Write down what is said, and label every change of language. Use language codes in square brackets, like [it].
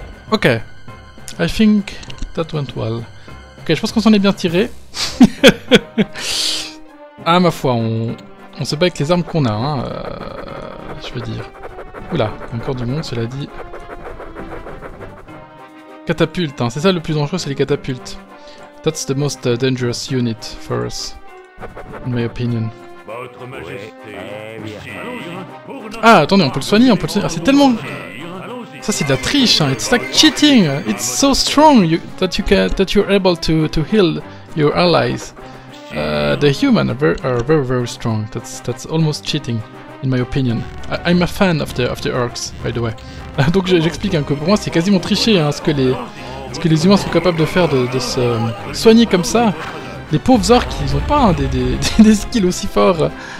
[en] Ok, I think that went well. [fr] Ok, je pense qu'on s'en est bien tiré. Ah, ma foi, on se bat avec les armes qu'on a, hein, je veux dire. Oula, encore du monde, cela dit. Catapulte, hein, c'est ça le plus dangereux, c'est les catapultes. [en] That's the most dangerous unit for us, in my opinion. [fr] Votre majesté. Ah, attendez, on peut le soigner, Ah, c'est tellement... Ça c'est de la triche, hein. [en] It's like cheating. It's so strong that you're able to heal your allies. The humans are very very strong. That's almost cheating, in my opinion. I'm a fan of the orcs, by the way. [fr] Donc j'explique, hein, que pour moi c'est quasiment triché, hein, ce que les humains sont capables de faire, de se soigner comme ça. Les pauvres orcs, ils ont pas, hein, des skills aussi forts.